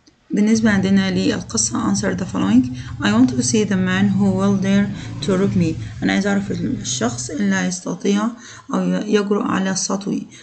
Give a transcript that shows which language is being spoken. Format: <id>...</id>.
<ar>بالنسبة عندنا للقصة</ar> <en>answer the following. I want to see the man who will dare to rob me.</en> <ar>أنا عايز أعرف الشخص اللي يستطيع أو يجرؤ على سطوي.</ar>